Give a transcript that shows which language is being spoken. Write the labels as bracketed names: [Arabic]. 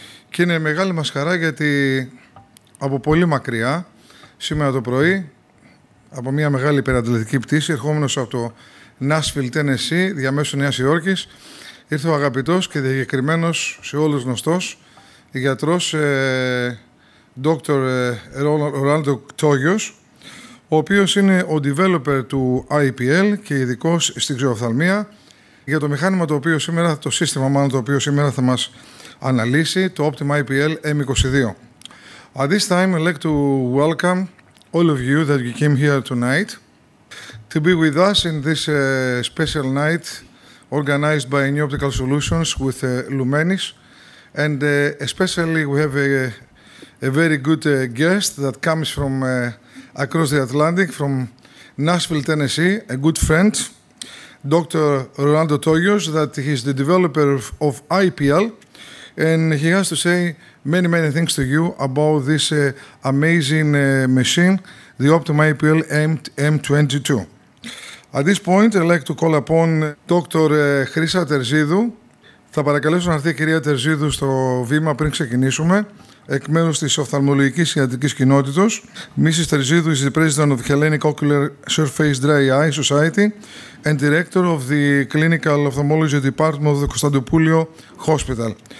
[Greek] Και είναι μεγάλη μας χαρά γιατί από πολύ μακριά, σήμερα το πρωί, από μια μεγάλη υπερατλαντική πτήση, ερχόμενος από το Nashville, Tennessee, διαμέσου Νέας Υόρκης, ήρθε ο αγαπητός και διακεκριμένος σε όλους γνωστός γιατρός Dr. Rolando Toyos, ο οποίος είναι ο developer του IPL και ειδικός στην ξεοφθαλμία. Για το μηχάνημα το οποίο σήμερα, το σύστημα μάλλον το οποίο σήμερα θα μας αναλύσει, το Optima IPL M22. [English] At this time I'd like to welcome all of you that you came here tonight to be with us in this special night organized by New Optical Solutions with Lumenis, and especially we have a very good guest that comes from across the Atlantic, from Nashville, Tennessee, a good friend, Dr. Rolando Toyos, that he is the developer of IPL, and he has to say many things to you about this amazing machine, the Optima IPL M22. At this point, I'd like to call upon Dr. [Greek] Χρύσα Τερζίδου. Θα παρακαλέσω να έρθει η κυρία Τερζίδου στο βήμα πριν ξεκινήσουμε, εκ μέρους της Οφθαλμολογικής Ιατρικής Κοινότητος. [English] Mrs. Τερζίδου is the President of the Hellenic Ocular Surface DryEye Society and Director of the Clinical Ophthalmology Department of the Κωνσταντοπούλιο Hospital.